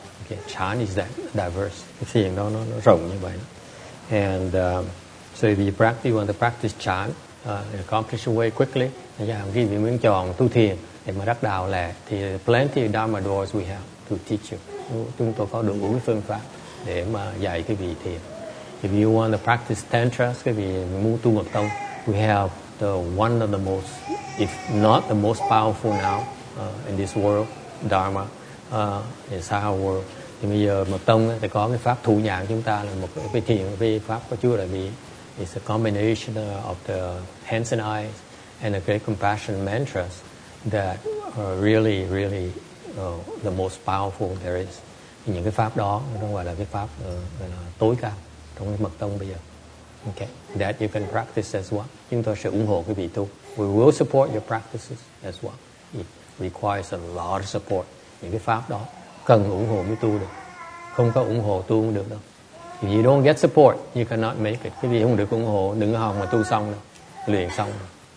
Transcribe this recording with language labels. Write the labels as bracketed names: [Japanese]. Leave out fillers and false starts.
[English] Okay, chan is that diverse, [Vietnamese] cái thiền đó nó rộng như vậy. [English] And so if you practice, you want to practice chan, accomplish your way quickly, yeah, [Vietnamese] khi mình muốn chọn tu thiền để mà đắc đạo lẹ, thì [English] plenty of dharma doors we have to teach you. [Vietnamese] Chúng tôi có đủ cái phương pháp để mà dạy cái vị thiền. [English] If you want to practice tantra, [Vietnamese] cái vị muốn tu mật tông, [English] we have the one of the most, if not the most powerful now in this world, dharma, in our world. [Vietnamese] Thì bây giờ mật tông thì có cái pháp thủ nhãn chúng ta là một cái thiền, cái pháp có chưa là vị. [English] It's a combination of the hands and eyes and the great compassion mantras that are really, really the most powerful there is. [Vietnamese] Những cái pháp đó nó gọi là cái pháp tối cao trong cái mật tông bây giờ. [English] Okay, that you can practice as well. [Vietnamese] Chúng tôi sẽ ủng hộ cái vị tu. [English] We will support your practices as well. It requires a lot of support. [Vietnamese] Những cái pháp đó cần ủng hộ mới tu được. Không có ủng hộ tu không được đâu. [English] If you don't get support, you cannot make it. [Vietnamese] Cái gì không được ủng hộ, đừng có hòng mà tu xong đâu, luyện xong đâu.